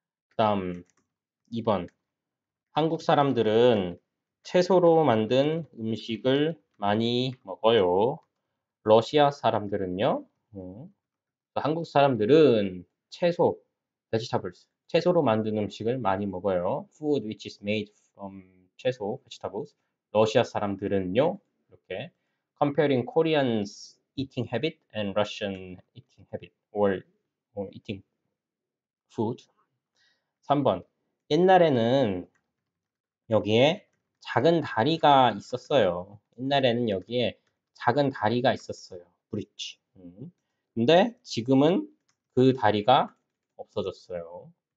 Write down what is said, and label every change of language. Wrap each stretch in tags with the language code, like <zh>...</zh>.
<ko>그다음 2번. 한국 사람들은 채소로 만든 음식을 많이 먹어요. 러시아 사람들은요? 한국 사람들은 채소, vegetables, 채소로 만든 음식을 많이 먹어요.</ko> <en>Food which is made from 채소, vegetables.</en> <ko>러시아 사람들은요? 이렇게</ko> <en>comparing Koreans eating habit and Russian eating habit or eating food.</en> <ko>3번. 옛날에는 여기에 작은 다리가 있었어요. 옛날에는 여기에 작은 다리가 있었어요. 브릿지. 근데 지금은 그 다리가 없어졌어요.</ko>